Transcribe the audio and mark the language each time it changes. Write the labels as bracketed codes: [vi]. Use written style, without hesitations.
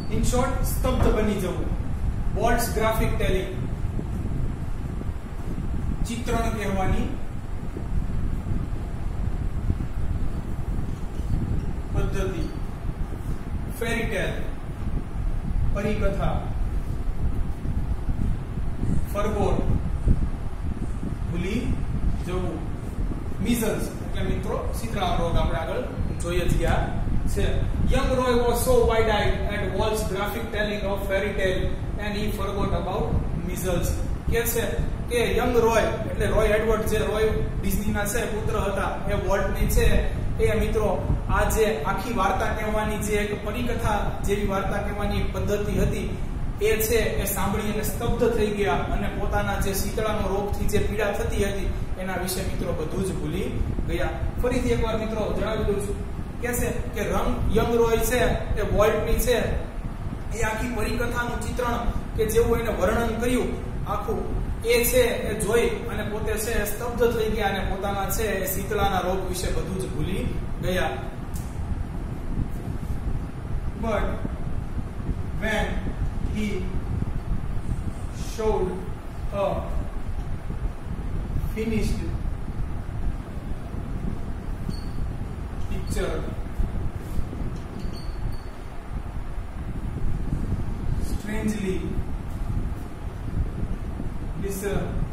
[gu] Short સ્તબ્ધ બની જવું. વોલ્ટ્સ [en] graphic telling [gu] ચિત્રણ કહેવાની પદ્ધતિ, [en] fairy tale [gu] પરિકથા, ફરબોર ભૂલી જવું, [en] measles [gu] એટલે મિત્રો સિતરાનો રોગ આપણે આગળ જોઈએ છીએ. [en] Young Roy was so wide-eyed at Walt's graphic telling of fairy tale and he forgot about measles. [gu] કે છે કે યંગ રોય એટલે રોય એડવર્ડ જે રોય ડિઝનીના છે પુત્ર હતા એ વોલ્ટ ની છે એ મિત્રો આ જે આખી વાર્તા કહેવાની જે એક પરિકથા જેવી વાર્તા કહેવાની પદ્ધતિ હતી એ છે એ સાંભળીને સ્તબ્ધ થઈ ગયા અને પોતાના જે શીતળાનો રોગથી જે પીડા થતી હતી એના વિશે મિત્રો બધું જ ભૂલી ગયા. ફરીથી એકવાર મિત્રો જણાવી દઉં છું કે રંગ યંગ રોય છે એ વોલ્ટ ની છે એ આખી પરિકથાનું ચિત્રણ કે જેવું એને વર્ણન કર્યું આખું એ છે એ જોઈ અને પોતે છે સ્તબ્ધ થઈ ગયા અને પોતાના છે એ શીતળાના રોગ વિશે બધું જ ભૂલી ગયા. [en] but when he showed a finished picture strangely disappointed